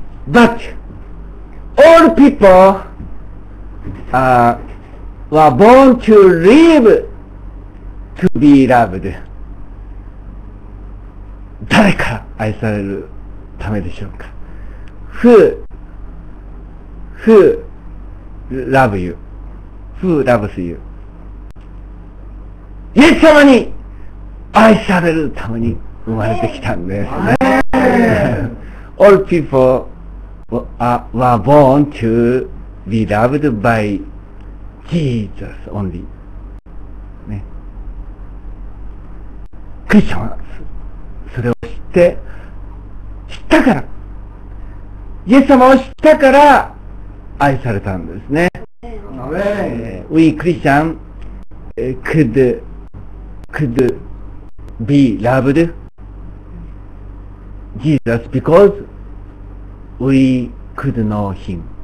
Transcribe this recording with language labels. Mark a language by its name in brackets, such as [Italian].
[English] But all peoplewere born to live to be loved。 [Japanese] 誰か愛されるためでしょうか。 [English] Who love you? Who loves you? [Japanese] イエス様に愛されるために生まれてきたんですね。 [English] All people were born toBe loved by Jesus only。 [Japanese] ね、クリスチャンはそれを知って、知ったから、イエス様を知ったから愛されたんですね。アメン。 [English] We Christian could be loved Jesus because we could know him.